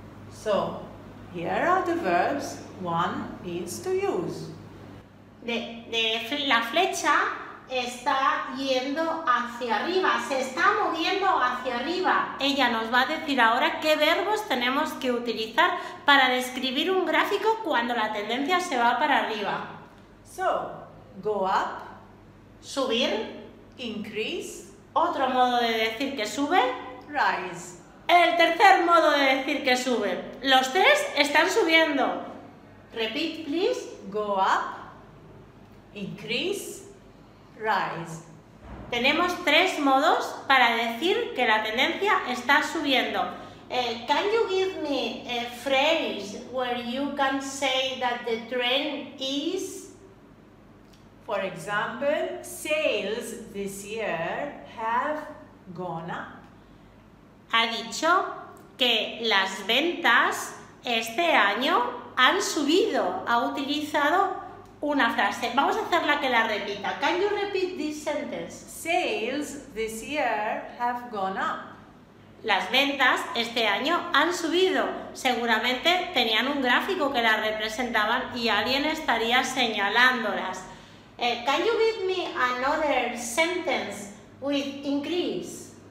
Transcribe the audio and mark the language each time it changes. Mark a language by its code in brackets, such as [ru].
[en] So, here are the verbs one needs to use. [es] La flecha está yendo hacia arriba, se está moviendo hacia arriba. Ella nos va a decir ahora qué verbos tenemos que utilizar para describir un gráfico cuando la tendencia se va para arriba. [en] So, go up, [es] subir, [en] increase, [es] otro modo de decir que sube, [en] rise. [es] El tercer modo de decir que sube. Los tres están subiendo. [en] Repeat, please. Go up, increase, rise. [es] Tenemos tres modos para decir que la tendencia está subiendo. [en] Can you give me a phrase where you can say that the trend is? For example, sales this year have gone up. [es] Ha dicho que las ventas este año han subido. Ha utilizado una frase. Vamos a hacerla que la repita. [en] Can you repeat this sentence? Sales this year have gone up. [es] Las ventas este año han subido. Seguramente tenían un gráfico que las representaban y alguien estaría señalándolas. [en] Can you give me another sentence with increase?